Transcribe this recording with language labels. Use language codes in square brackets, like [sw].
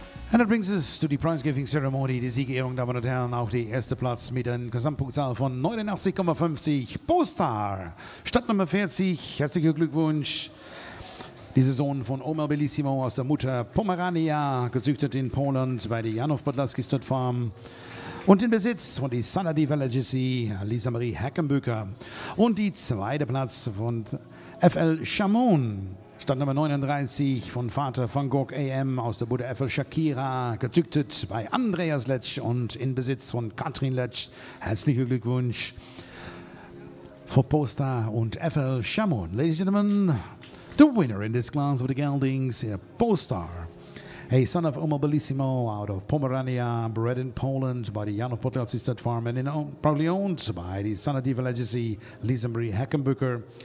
[en] And that brings us to the prize giving ceremony. [de] Die Siegerehrung, Damen und Herren, auf die erste Platz mit einem Gesamtpunktzahl von 89,50 Postar. Stadtnummer 40, herzlichen Glückwunsch. Dieser Sohn von Omer Bellissimo aus der Mutter Pomerania, gezüchtet in Polen bei der Janow Podlaski Stud Farm und in Besitz von der Sala Diva Legacy Lisa Marie Heckenbücker. Und die zweite Platz von FL Shamoon, Stand Nummer 39 von Vater von Gork AM aus der Bude FL Shakira, gezüchtet bei Andreas Letsch und in Besitz von Katrin Letsch. Herzlichen Glückwunsch für Poster und FL Shamoon. [en] Ladies and Gentlemen, the winner in this class of the Geldings, a Postar, a son of Omer Bellissimo out of Pomerania, bred in Poland by the Janow Podlaski Stud Farm and proudly owned by the Sala Diva Legacy Lisa Marie Heckenbücker.